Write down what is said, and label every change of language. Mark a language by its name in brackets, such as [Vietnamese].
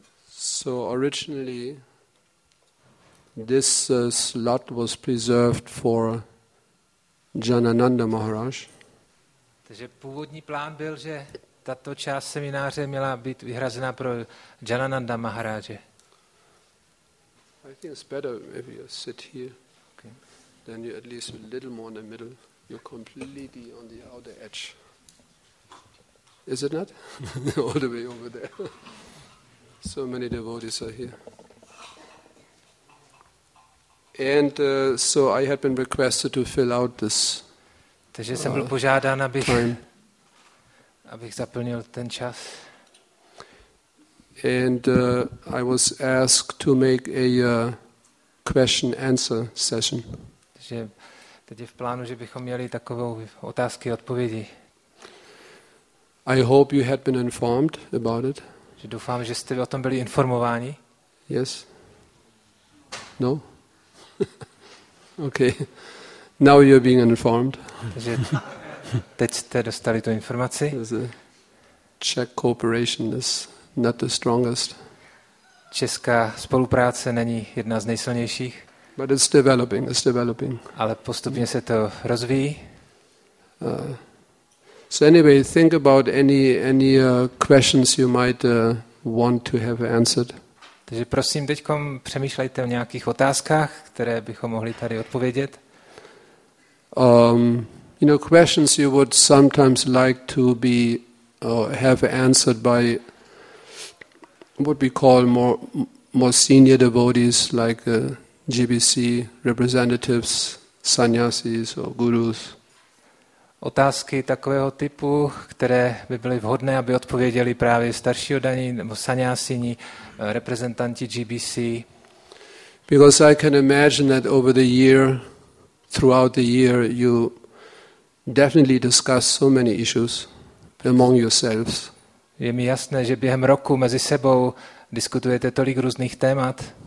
[English] So originally, this slot was preserved for Jananda Maharaj. [Czech] Takže původní plán byl, že tato část semináře měla být vyhrazena pro Jananda Maharaje. [English] I think it's better if you sit here. Okay. Then you at least a little more in the middle. You're completely on the outer edge. Is it not? All the way over there. So many devotees are here. And so I had been requested to fill out this. [Czech] Takže jsem byl požádán, abych zaplnil ten čas. [English] And I was asked to make a question answer session. [Czech] Takže teď je v plánu, že bychom měli takovou otázky a odpovědi. [English] I hope you had been informed about it. [Czech] Že doufám, že jste o tom byli informováni. [English] Yes. No. Okay. Now you're being informed. [Czech] Takže teď jste dostali tu informaci. [English] Czech cooperation is not the strongest. [Czech] Česká spolupráce není jedna z nejsilnějších. [English] But it's developing. [Czech] Ale postupně se to rozvíjí. [English] So anyway, think about any questions you might want to have answered. [Czech] Takže prosím, teďkom přemýšlejte o nějakých otázkách, které bychom mohli tady odpovědět. [English] You know, questions you would sometimes like to be have answered by what we call more senior devotees, like GBC representatives, sannyasis or gurus. [Czech] Otázky takového typu, které by byly vhodné, aby odpověděli právě starší oddaní nebo sannyasini, reprezentanti GBC. [English] Because I can imagine that over the year, throughout the year, you definitely discuss so many issues among yourselves. [Czech] Je mi jasné, že během roku mezi sebou diskutujete tolik různých témat.